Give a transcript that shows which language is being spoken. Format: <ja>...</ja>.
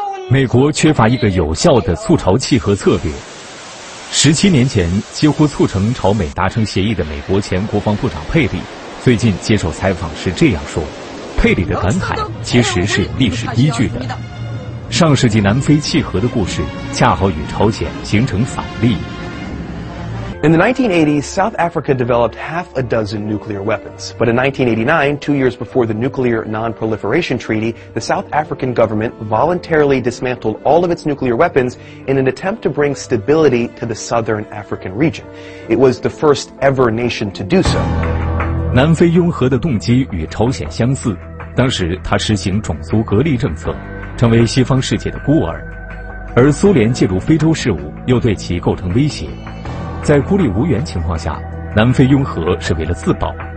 <zh>美国缺乏一个有效的促朝契合策略。17年前，几乎促成朝美达成协议的美国前国防部长佩里最近接受采访时这样说，佩里的感慨其实是有历史依据的。上世纪南非契合的故事恰好与朝鲜形成反例。</zh> <en>In the 1980s, South Africa developed half a dozen nuclear weapons. But in 1989, 2 years before the Nuclear Non-Proliferation Treaty, the South African government voluntarily dismantled all of its nuclear weapons in an attempt to bring stability to the Southern African region. It was the first ever nation to do so.</en> <zh>南非拥核的动机与朝鲜相似，当时他实行种族隔离政策，成为西方世界的孤儿，而苏联介入非洲事务又对其构成威胁。在孤立无援情况下，南非拥核是为了自保。</zh>